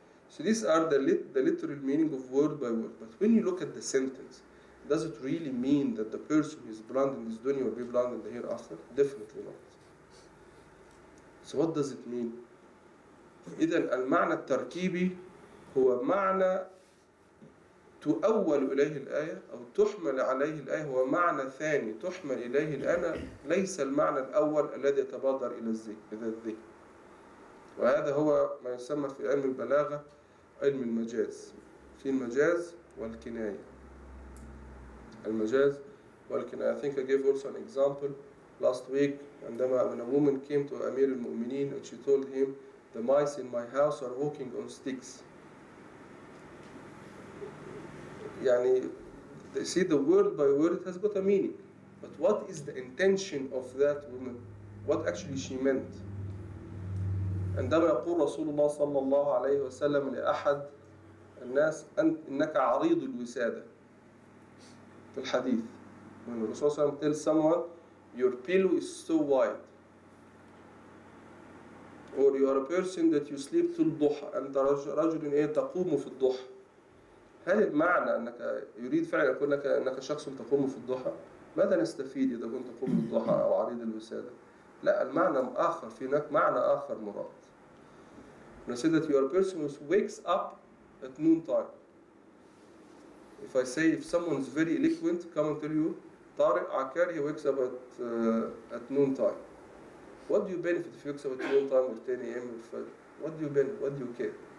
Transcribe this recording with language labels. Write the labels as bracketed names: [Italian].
[English] So these are the literal meaning of word by word. But when you look at the sentence, does it really mean that the person who is blind in this dunya will be blind in the hereafter? Definitely not. So what does it mean? [Arabic] إذن المعنى التركيبي هو معنى تؤول إليه الآية أو تحمل عليه الآية هو معنى ثاني تحمل إليه الآية ليس المعنى الأول الذي يتبادر إلى الذهن. وهذا هو ما يسمى في علم البلاغة علم المجاز. في المجاز والكناية. المجاز والكناية. [English] I think I gave also an example last week عندما when a woman came to أمير المؤمنين and she told him the mice in my house are walking on sticks. يعني they see the word by word it has got a meaning. But what is the intention of that woman? What actually she meant? [Arabic] عندما يقول رسول الله صلى الله عليه وسلم لأحد الناس إنك عريض الوسادة في الحديث [English] when the Rasulullah صلى الله عليه وسلم tells someone your pillow is so wide or you are a person that you sleep till duha and [Arabic] رجل إيه تقوم في الضحى. هل المعنى أنك يريد فعلا يقول لك أنك شخص تقوم في الضحى؟ ماذا نستفيد إذا كنت تقوم في الضحى أو عريض الوسادة؟ لا المعنى آخر في هناك معنى آخر مراد. [English] When I say that you are a person who wakes up at noon time. If I say if someone is very eloquent, come and tell you, Tariq Akar, he wakes up at noon time. What do you benefit if he wakes up at noon time or 10 a.m. or 5? What do you benefit? What do you care?